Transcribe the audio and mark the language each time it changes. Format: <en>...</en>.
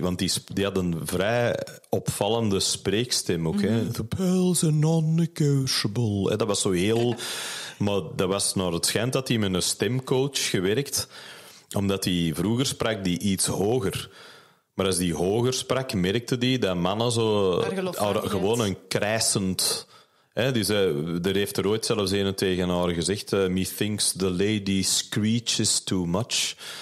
<nl>Want die had een vrij opvallende spreekstem ook. Hè.</nl> <en>The pearls are non-negotiable.</en> <nl>Hè, dat was zo heel... Maar dat was naar het schijnt dat hij met een stemcoach gewerkt. Omdat hij vroeger sprak die iets hoger. Maar als die hoger sprak, merkte die dat mannen zo... gewoon een krijsend... He, die zei, er heeft er ooit zelfs een tegen haar gezegd,</nl> <en>methinks the lady screeches too much.</en>